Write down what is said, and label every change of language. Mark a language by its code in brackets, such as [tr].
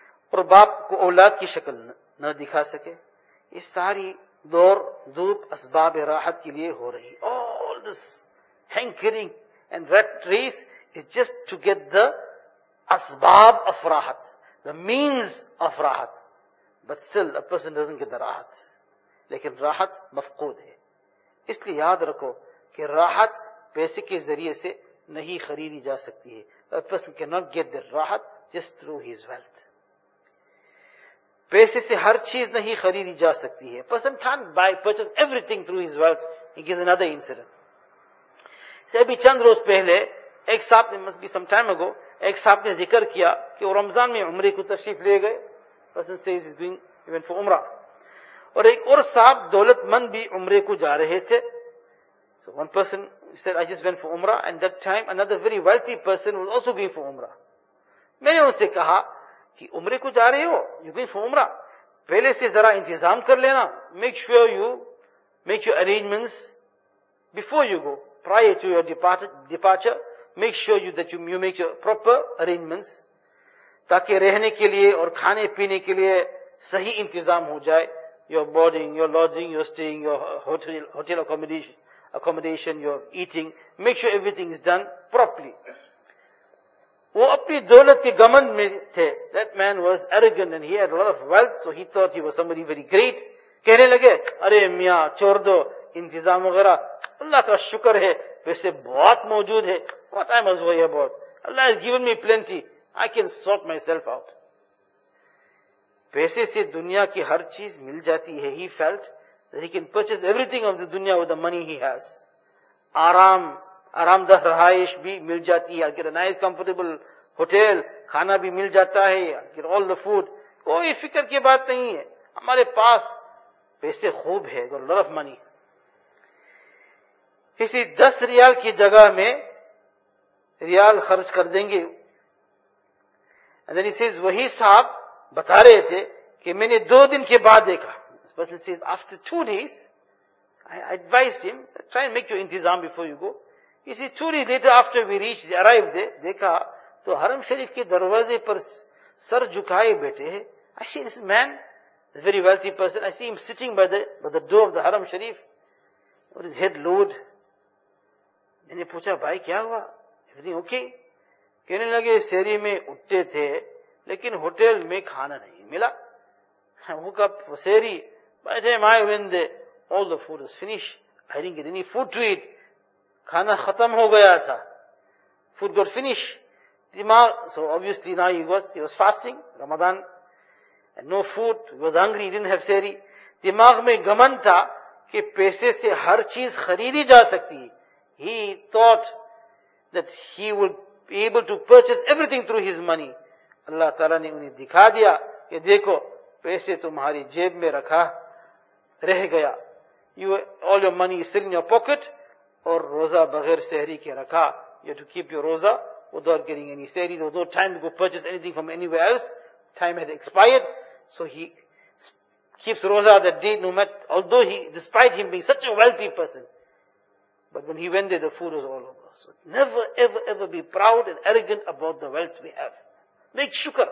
[ur] اور باپ کو اولاد کی شکل نہ دکھا سکے. یہ ساری دور دوب اسباب راحت کے لیے ہو رہی. [en] All this hankering and rat race is just to get the asbab of rahat, the means of rahat. But still, a person doesn't get the rahat. [ur] لیکن راحت مفقود ہے. اس لیے یاد رکھو کہ راحت پیسے کے ذریعے سے نہیں خریدی جا سکتی ہے. [en] A person cannot get the rahat just through his wealth. [ur] پیسے سے ہر چیز نہیں خریدی جا سکتی ہے. [en] Person can't buy, purchase everything through his wealth. He gives another incident. [ur] سے ابھی چند روز پہلے ایک صاحب نے, [en] must be some time ago, [ur] ایک صاحب نے ذکر کیا کہ وہ رمضان میں عمرے کو تشریف لے گئے. [en] Person says he's going even for عمرہ. [ur] اور ایک اور صاحب دولت مند بھی عمرے کو جا رہے تھے. [en] So one person said, I just went for عمرہ. And that time another very wealthy person was also going for عمرہ. [ur] میں نے ان سے کہا کہ عمرے کو جا رہے ہو, [en] you're going for عمرہ, [ur] پہلے سے ذرا انتظام کر لینا. [en] Make sure you make your arrangements before you go. Prior to your departure, make sure you make your proper arrangements, [ur] تاکہ رہنے کے لیے اور کھانے پینے کے لیے صحیح انتظام ہو جائے. [en] Your boarding, your lodging, your staying, your hotel accommodation, your eating. Make sure everything is done properly. [ur] وہ اپنی دولت کے گمند میں تھے. [en] That man was arrogant and he had a lot of wealth, so he thought he was somebody very great. [ur] کہنے لگے, ارے میاں چھوڑ دو انتظام وغیرہ, اللہ کا شکر ہے پیسے بہت موجود ہے. [en] What I must worry about? Allah has given me plenty. I can sort myself out. [ur] پیسے سے دنیا کی ہر چیز مل جاتی ہے. [en] He felt that he can purchase everything of the dunya with the money he has. [ur] آرام دہ رہائش بھی مل جاتی ہے. [en] I'll get a nice comfortable hotel. [ur] کھانا بھی مل جاتا ہے. [en] I'll get all the food. [ur] کوئی فکر کی بات نہیں ہے, ہمارے پاس پیسے خوب ہے. [en] Got a lot of money. [ur] اسی 10 ریال کی جگہ میں ریال خرچ کر دیں گے. [en] And then he says, [ur] وہی صاحب بتا رہے تھے کہ میں نے 2 دن کے بعد دیکھا. [en] This person says, after 2 days, I advised him, try and make your intizam before you go. You see, 2 days later, after we reached, arrived there, [ur] دیکھا تو حرم شریف کے دروازے پر سر جھکائے بیٹھے ہیں. [en] I see this man, a very wealthy person, I see him sitting by the door of the حرم شریف with his head lowered. [ur] میں نے پوچھا, بھائی کیا ہوا, [en] everything okay? [ur] کہنے لگے, سہری میں اٹھے تھے لیکن ہوٹل میں کھانا نہیں ملا. [en] All the food is finished. I didn't get any food to eat. [ur] کھانا ختم ہو گیا تھا. [en] Food got finished. So obviously now he was fasting, Ramadan. And no food. He was hungry. He didn't have sehri. [ur] دماغ میں گمن تھا کہ پیسے سے ہر چیز خریدی جا سکتی. [en] He thought that he would be able to purchase everything through his money. [ur] اللہ تعالیٰ نے انہیں دکھا دیا کہ دیکھو پیسے تمہاری جیب میں رکھا رہ گیا. [en] All your money is still in your pocket. [ur] اور روزہ بغیر سحری کے رکھا. [en] You have to keep your روزہ without getting any سحری. There was no time to go purchase anything from anywhere else. Time had expired. So he keeps روزہ that day, no matter, although he, despite him being such a wealthy person. But when he went there, the food was all over. So never ever ever be proud and arrogant about the wealth we have. Make shukr.